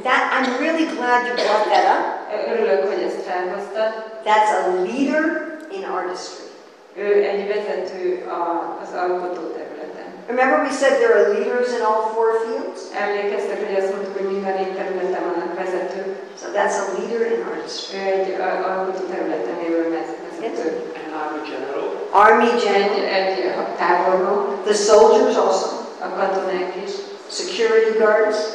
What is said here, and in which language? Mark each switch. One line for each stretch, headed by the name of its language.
English: That I'm really glad you brought that up. That's a leader in artistry.
Hungarian: Ő egy vezető az alkotó területen.
English: Remember we said there are leaders in all four fields?
Hungarian: Emlékeztek, hogy azt mondtuk, hogy minden négy területen vannak vezetők.
English: So that's a leader in arts.
Hungarian: Ő egy alkotó területen élő vezető.
English: Army general.
Hungarian: Egy tábornok.
English: The soldiers also.
Hungarian: A katonák is.
English: Security guards.